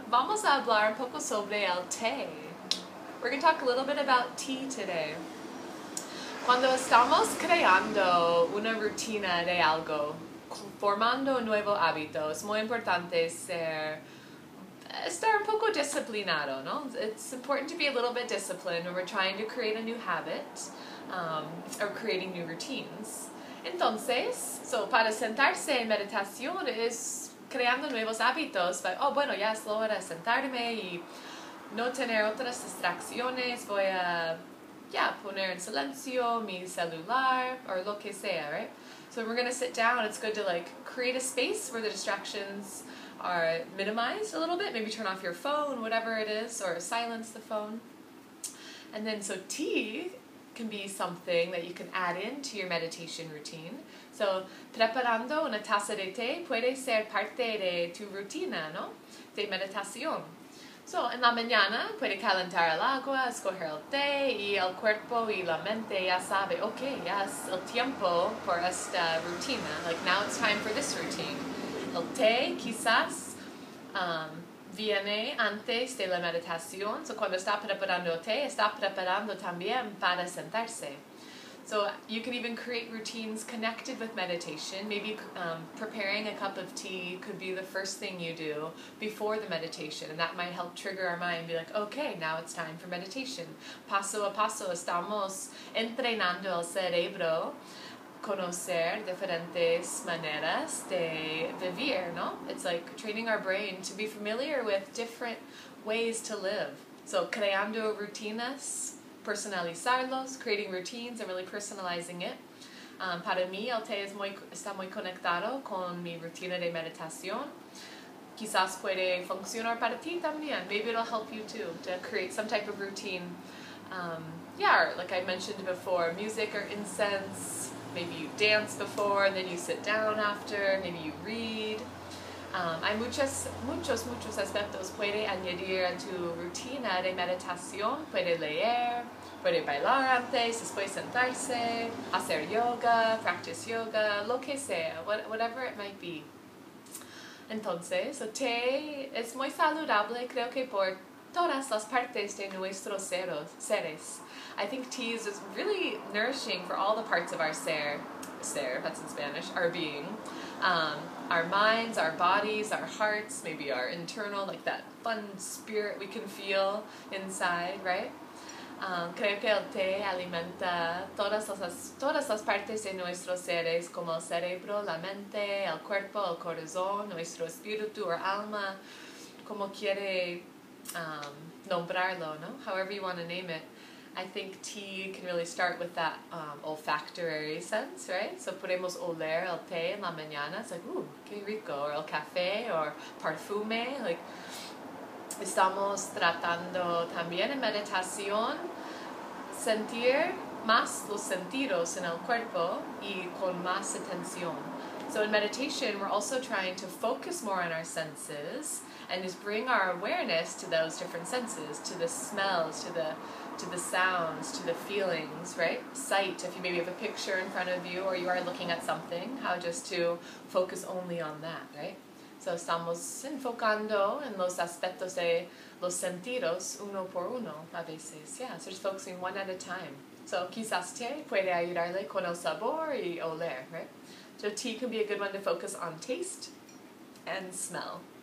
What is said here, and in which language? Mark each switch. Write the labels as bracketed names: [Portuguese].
[Spanish] Vamos a hablar un poco sobre el té. [English] We're going to talk a little bit about tea today. [Spanish] Cuando estamos creando una rutina de algo, formando un nuevo hábito, es muy importante estar un poco disciplinado, ¿no? [English] It's important to be a little bit disciplined when we're trying to create a new habit or creating new routines. [Spanish] Entonces, so para sentarse en meditación es creando nuevos hábitos. But, oh, bueno, ya es la hora de sentarme y no tener otras distracciones. Voy a, poner en silencio mi celular or lo que sea, right? [English] So when we're going to sit down, it's good to, like, create a space where the distractions are minimized a little bit. Maybe turn off your phone, whatever it is, or silence the phone. And then, so tea can be something that you can add into your meditation routine. [Spanish] So, preparando una taza de té puede ser parte de tu rutina, ¿no? De meditación. So, en la mañana puede calentar el agua, escoger el té, y el cuerpo y la mente ya sabe, okay, ya es el tiempo por esta rutina. [English] Like, now it's time for this routine. [Spanish] El té quizás viene antes de la meditación. So cuando está preparando té, está preparando también para sentarse. [English] So you can even create routines connected with meditation. Maybe preparing a cup of tea could be the first thing you do before the meditation. And that might help trigger our mind and be like, okay, now it's time for meditation. [Spanish] Paso a paso estamos entrenando el cerebro conocer diferentes maneras de vivir, ¿no? [English] It's like training our brain to be familiar with different ways to live. So [Spanish] creando rutinas, personalizarlos, [English] creating routines and really personalizing it. [Spanish] Para mí, el té es está muy conectado con mi rutina de meditación. Quizás puede funcionar para ti también. [English] Maybe it'll help you too to create some type of routine. Or like I mentioned before, music or incense. Maybe you dance before, and then you sit down after, maybe you read. [Spanish] Hay muchos aspectos puede añadir a tu rutina de meditación. Puede leer, puede bailar antes, después sentarse, hacer yoga, [English] practice yoga, [Spanish] lo que sea, [English] whatever it might be. [Spanish] Entonces, el té es muy saludable, creo que por todas las partes de nuestros seres. [English] I think tea is really nourishing for all the parts of our ser, that's in Spanish, our being. Our minds, our bodies, our hearts, maybe our internal, like that fun spirit we can feel inside, right? [Spanish] Creo que el té alimenta todas las partes de nuestros seres, como el cerebro, la mente, el cuerpo, el corazón, nuestro espíritu o alma, como quiere nombrarlo, ¿no? [English] However you want to name it. I think tea can really start with that olfactory sense, right? [Spanish] So podemos oler el té en la mañana, [English] it's like, ooh, [Spanish] qué rico, or el café, or perfume, like, estamos tratando también en meditación sentir más los sentidos en el cuerpo y con más atención. [English] So in meditation, we're also trying to focus more on our senses and just bring our awareness to those different senses, to the smells, to the sounds, to the feelings, right? Sight, if you maybe have a picture in front of you or you are looking at something, how just to focus only on that, right? [Spanish] So estamos enfocando en los aspectos de los sentidos uno por uno a veces. [English] Yeah, so just focusing one at a time. [Spanish] So quizás té puede ayudarle con el sabor y oler, right? [English] So tea can be a good one to focus on taste and smell.